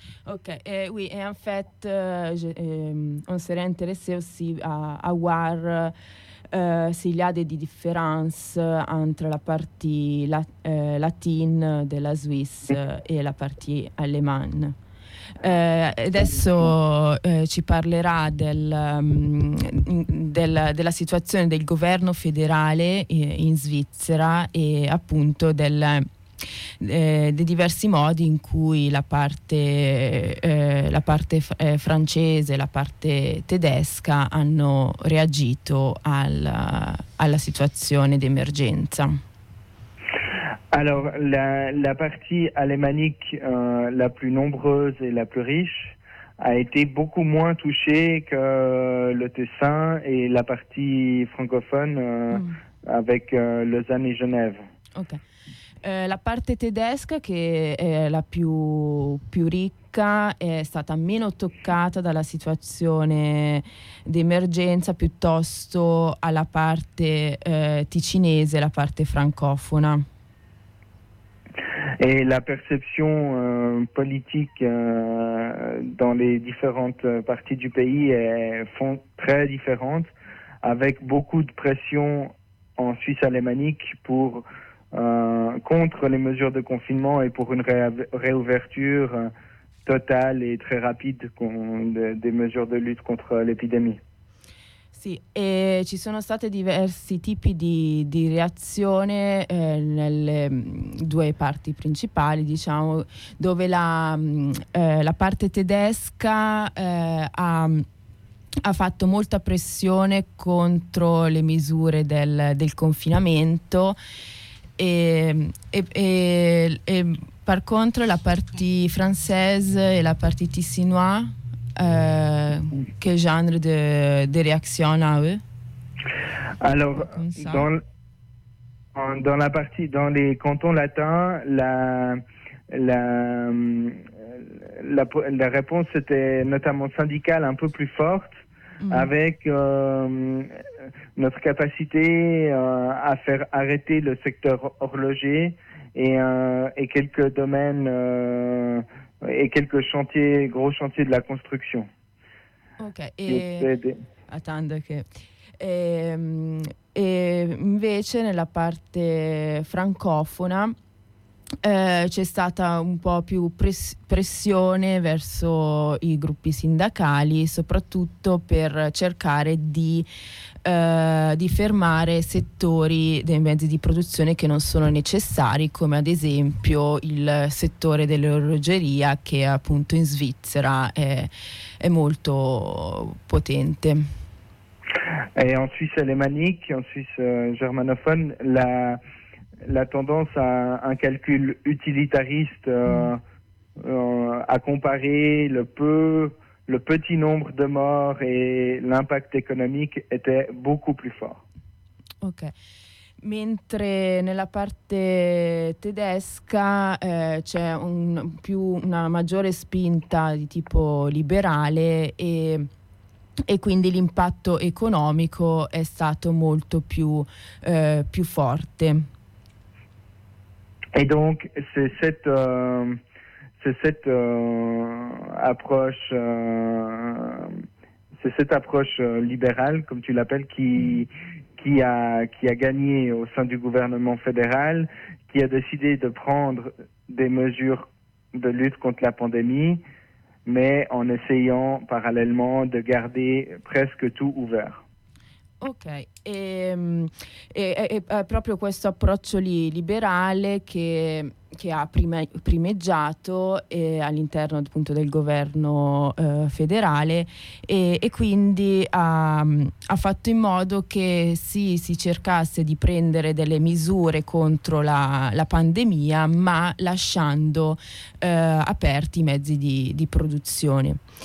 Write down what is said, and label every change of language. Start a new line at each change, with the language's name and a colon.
French: Ok, oui, et en fait, on serait intéressé aussi à voir s'il y a des différences entre la partie latine della Suisse et la partie allemande.
Italian: Adesso ci parlerà della situazione del governo federale in Svizzera e appunto dei diversi modi in cui la parte francese e la parte tedesca hanno reagito alla situazione d'emergenza.
French: Alors, la partie alémanique la plus nombreuse et la plus riche a été beaucoup moins touchée que le Tessin et la partie francophone avec Lausanne et Genève. Ok.
Italian: La parte tedesca, che è la più ricca, è stata meno toccata dalla situazione d'emergenza piuttosto alla parte ticinese, la parte francofona.
French: Et la perception politique dans les différentes parties du pays est très différente, avec beaucoup de pression en Suisse alémanique pour contre les mesures de confinement et pour une réouverture totale et très rapide des mesures de lutte contre l'épidémie.
Italian: Sì, e ci sono stati diversi tipi di reazione nelle due parti principali, diciamo, dove la parte tedesca ha fatto molta pressione contro le misure del confinamento e
French: par contre la partie française
Italian: e
French: la partie ticinoise. Quel genre de réaction à eux? Alors, dans les cantons latins, la réponse était notamment syndicale un peu plus forte, avec notre capacité à faire arrêter le secteur horloger et quelques domaines. Et quelques chantiers, gros chantiers de la construction.
Italian: Ok, invece nella parte francofona c'è stata un po' più pressione verso i gruppi sindacali, soprattutto per cercare di fermare settori dei mezzi di produzione che non sono necessari, come ad esempio il settore dell'orologeria, che appunto in Svizzera è molto potente.
French: E in Suisse alémanique, in Suisse germanophone, la tendance à un calcul utilitariste à comparer le petit nombre de morts et l'impact économique était beaucoup plus fort. Ok.
Italian: Mentre nella parte tedesca c'è una maggiore spinta di tipo liberale e quindi l'impatto economico è stato molto più forte.
French: Et donc, c'est cette approche libérale, comme tu l'appelles, qui a gagné au sein du gouvernement fédéral, qui a décidé de prendre des mesures de lutte contre la pandémie, mais en essayant parallèlement de garder presque tout ouvert.
Italian: Ok, è proprio questo approccio liberale che ha primeggiato all'interno appunto del governo federale e quindi ha fatto in modo che si cercasse di prendere delle misure contro la pandemia, ma lasciando aperti i mezzi di produzione.